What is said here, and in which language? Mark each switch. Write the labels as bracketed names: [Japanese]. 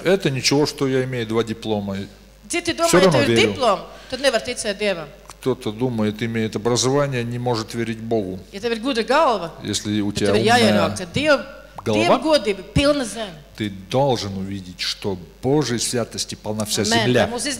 [Russian] Это ничего, что я имею два диплома. [Latvian] Citi domāja, ja tev ir diplom, tad nevar ticēt Dievam. [Russian] Кто-то думает, имеет образование, не может верить Богу. [Latvian] Ja tev ir gudra galva, [Russian] если у тебя умная [Latvian] galva, ja tev ir jāierāk, ka Dieva godība pilna zem. [Russian] Ты должен увидеть, что Божьей святости полна вся земля.